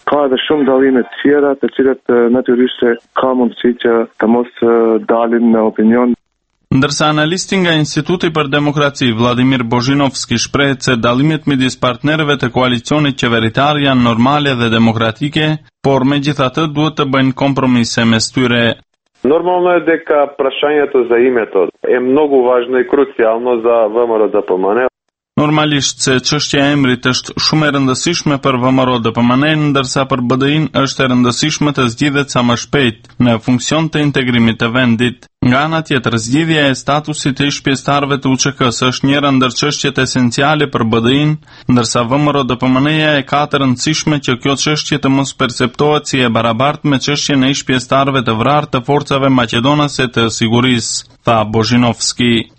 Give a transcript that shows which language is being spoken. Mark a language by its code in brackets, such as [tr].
[sq] Ka edhe shumë dallime të tjera të cilat natyrisht ka mundësi që të mos dalin në opinion. Ndërsa analisti nga Instituti për Demokraci Vladimir Bozhinovski shprehet se dallimet midis partnerëve të koalicionit qeveritar janë normale dhe demokratike, por megjithatë duhet të bëjnë kompromise mes tyre. [mk] Нормално е дека прашањето за името е многу важно и круцијално за ВМРО-ДПМН. [sq] Normalisht se çështja e emrit është shumë e rëndësishme për VMRO-DPMN, ndërsa për BDI-n është e rëndësishme të zgjidhet sa më shpejt në funksion të integrimit të vendit. Nga ana tjetër, zgjidhja e statusit të ish-pjestarëve të UÇK-s është njëra ndër çështjet esenciale për BDI-n, ndërsa VMRO-DPMN-ja e ka të rëndësishme që kjo çështje të mos perceptohet si e barabartë me çështjen e ish-pjestarëve të vrarë të forcave maqedonase të sigurisë, tha Bozhinovski.